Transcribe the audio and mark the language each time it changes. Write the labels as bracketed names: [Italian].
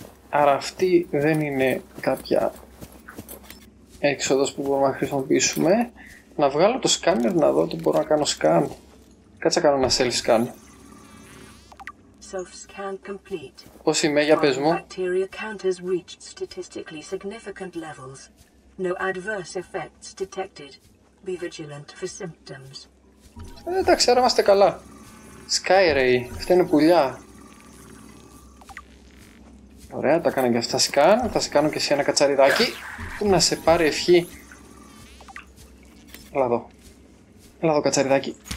[Greek] Άρα αυτή δεν είναι κάποια έξοδος που μπορούμε να χρησιμοποιήσουμε. Να βγάλω το σκάνερ να δω τι μπορώ να κάνω σκάν. Κάτσε να κάνω ένα self-scan. [English] Self-scan complete. [Greek] Πώς είμαι, για πες μου. [English] Bacteria count has reached statistically significant levels. No adverse effects detected. Be vigilant for symptoms. [Greek] Εντάξει, άρα είμαστε καλά. Skyray, αυτά είναι πουλιά. Ωραία, τα κάνω και αυτά σκάν. Θα σε κάνω και σε ένα κατσαριδάκι. Πού να σε πάρει ευχή. Έλα εδώ. Έλα εδώ, κατσαριδάκι.